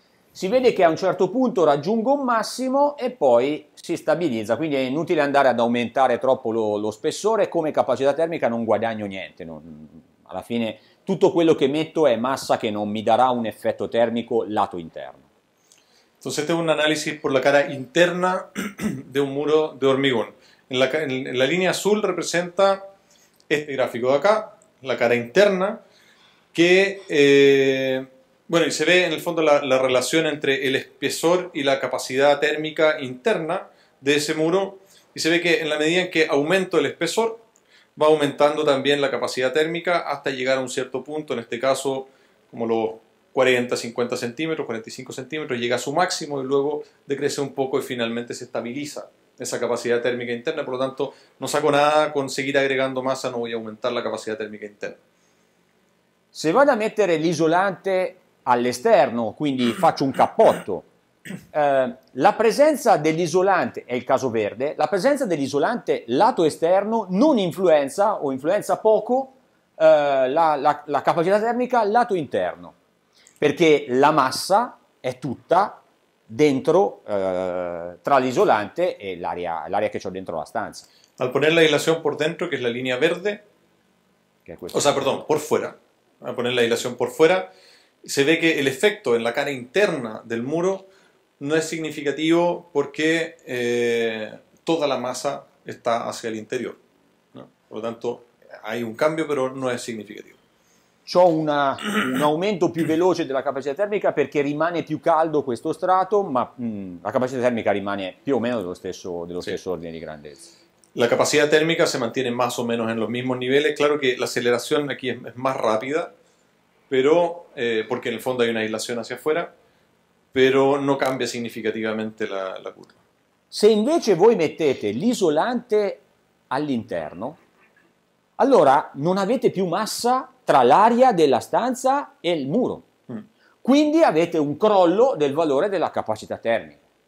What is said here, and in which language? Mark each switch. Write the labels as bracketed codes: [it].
[it] Si vede che a un certo punto raggiungo un massimo e poi si stabilizza, quindi è inutile andare ad aumentare troppo lo spessore, come capacità termica non guadagno niente, alla fine tutto quello che metto è massa che non mi darà un effetto termico lato interno. [es] Entonces este es un análisis por la cara interna de un muro de hormigón. En la línea azul representa este gráfico de acá, la cara interna, que... Bueno, y se ve en el fondo la relación entre el espesor y la capacidad térmica interna de ese muro. Y se ve que en la medida en que aumento el espesor, va aumentando también la capacidad térmica hasta llegar a un cierto punto, en este caso como los 40, 50 centímetros, 45 centímetros, llega a su máximo y luego decrece un poco y finalmente se estabiliza esa capacidad térmica interna. Por lo tanto, no saco nada con seguir agregando masa, no voy a aumentar la capacidad térmica interna. [it] Se van a meter el isolante all'esterno, quindi faccio un cappotto, la presenza dell'isolante, è il caso verde, la presenza dell'isolante lato esterno non influenza o influenza poco la capacità termica lato interno, perché la massa è tutta dentro, tra l'isolante e l'aria che c'ho dentro la stanza. [es] Al poner la aislación por dentro, [it] che è la linea verde, che è questa. [es] O sea, perdón, por fuera, al poner la aislación por fuera, se ve que el efecto en la cara interna del muro no es significativo porque toda la masa está hacia el interior, ¿no? Por lo tanto, hay un cambio, pero no es significativo. [it] C'ho un aumento più veloce della capacità termica perché rimane più caldo questo strato, ma la capacità termica rimane più o meno dello stesso ordine di grandezza. La capacità termica [es] se mantiene más o menos en los mismos niveles. Claro que la aceleración aquí es más rápida, pero porque en el fondo hay una aislación hacia afuera, pero no cambia significativamente la curva. [it] Se invece voi mettete l'isolante all'interno, allora non avete più massa tra l'aria della stanza e il muro. Quindi avete un crollo del valore della capacità termica.